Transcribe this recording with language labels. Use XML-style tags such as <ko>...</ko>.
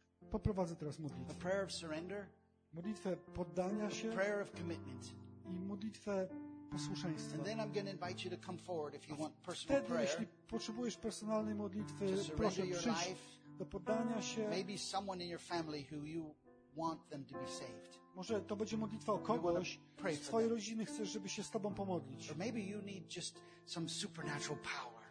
<pl>Poprowadzę teraz modlitwę.</pl> <en>A prayer of surrender.</en> <pl>Modlitwę poddania się.</pl> <en>Prayer of commitment.</en> <pl>I modlitwę posłuszeństwa.</pl> <en>And then I'm going to invite you to come forward if you want personal</en> <pl>wtedy,</pl> <en>prayer.</en> <pl>Jeśli potrzebujesz personalnej modlitwy, proszę przyjść do poddania się.</pl> <en>Maybe someone in your family who you want them to be saved.</en> <pl>Może to będzie modlitwa o kogoś z twojej rodziny, chcesz, żeby się z tobą pomodlić.</pl> <en>Or maybe you need just some supernatural power.</en>